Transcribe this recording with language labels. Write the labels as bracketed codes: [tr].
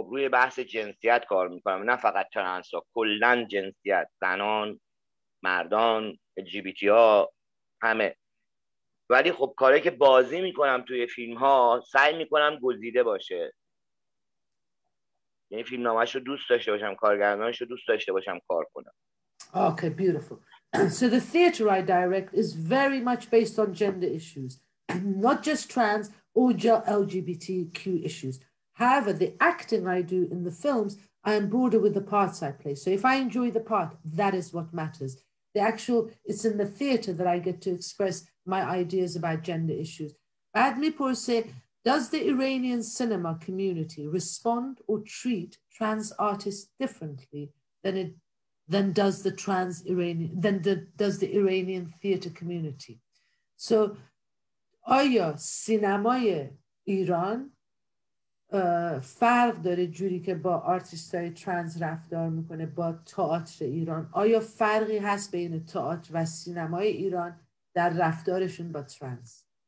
[fa] خب روی بحث جنسیت کار میکنم، نه فقط ترنس ها، کلن جنسیت، زنان، مردان، LGBT ها، همه. ولی خب کاری که بازی میکنم توی فیلم ها سعی میکنم گزیده باشه، یعنی فیلم نامش رو دوست داشته باشم، کارگردانش رو دوست داشته باشم کار کنم. [en] Okay, beautiful. So the theater I direct is very much based on gender issues, not just trans or LGBTQ issues. However, the acting I do in the films, I am broader with the parts I play. So if I enjoy the part, that is what matters. The actual, it's in the theater that I get to express my ideas about gender issues. Admipur say, does the Iranian cinema community respond or treat trans artists differently than it than does the trans Iranian, than the, does the Iranian theater community? [fa] So, آیا سینمای ایران فرق داره جوری که با آرتیست های ترانس رفتار میکنه با تئاتر ایران؟ آیا فرقی هست بین تئاتر و سینمای ایران در رفتارشون با ترانس؟